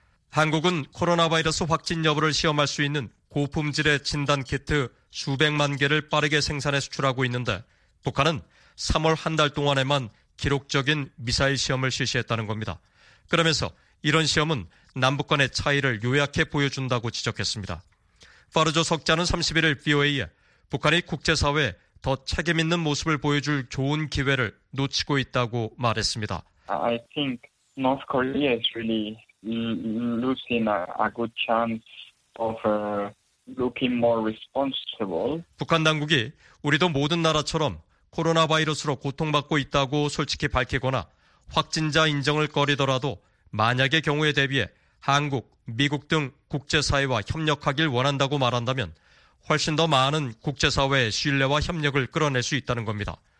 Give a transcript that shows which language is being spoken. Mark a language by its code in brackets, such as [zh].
[ko] 한국은 코로나 바이러스 확진 여부를 시험할 수 있는 고품질의 진단 키트 수백만 개를 빠르게 생산해 수출하고 있는데 북한은 3월 한 달 동안에만 기록적인 미사일 시험을 실시했다는 겁니다. 그러면서 이런 시험은 남북 간의 차이를 요약해 보여준다고 지적했습니다. 파르조 석자는 31일 VOA에 북한이 국제사회에 더 책임 있는 모습을 보여줄 좋은 기회를 놓치고 있다고 말했습니다. [en] I think North Korea is really losing a good chance of looking more responsible. [ko] 북한 당국이 우리도 모든 나라처럼 코로나 바이러스로 고통받고 있다고 솔직히 밝히거나 확진자 인정을 꺼리더라도 만약의 경우에 대비해 한국, 미국 등 국제사회와 협력하길 원한다고 말한다면 훨씬 더 많은 국제사회의 신뢰와 협력을 끌어낼 수 있다는 겁니다.